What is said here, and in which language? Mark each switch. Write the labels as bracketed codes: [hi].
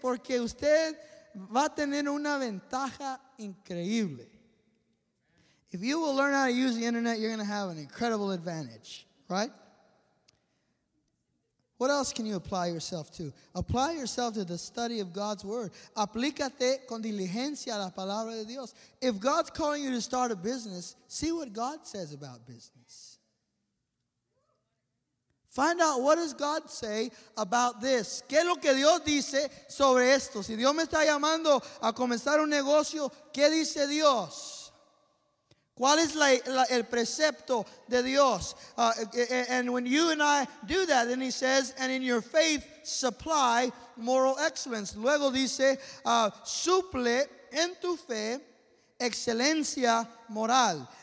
[es] Porque usted va a tener una ventaja increíble. [en] If you will learn how to use the internet, you're going to have an incredible advantage, right? What else can you apply yourself to? Apply yourself to the study of God's word. [es] Aplícate con diligencia a la palabra de Dios. [en] If God's calling you to start a business, see what God says about business. Find out what does God say about this. [es] ¿Qué es lo que Dios dice sobre esto? Si Dios me está llamando a comenzar un negocio, ¿qué dice Dios? ¿Cuál es el precepto de Dios? [en] And when you and I do that, then he says, and in your faith supply moral excellence. [es] Luego dice, suple en tu fe excelencia moral.